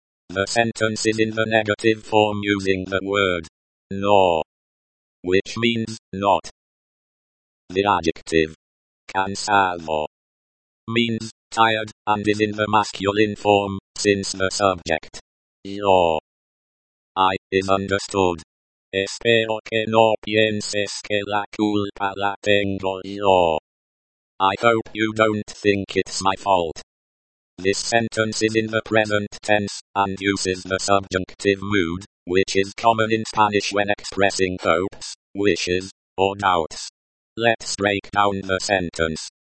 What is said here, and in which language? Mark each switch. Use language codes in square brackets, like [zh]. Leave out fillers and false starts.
[en] The sentence is in the negative form using the word [es] no, [en] which means not. The adjective [es] cansado [en] means tired and is in the masculine form since the subject [es] yo [en] I is understood. [es] Espero que no pienses que la culpa la tengo yo. [en] I hope you don't think it's my fault. This sentence is in the present tense, and uses the subjunctive mood, which is common in Spanish when expressing hopes, wishes, or doubts. Let's break down the sentence.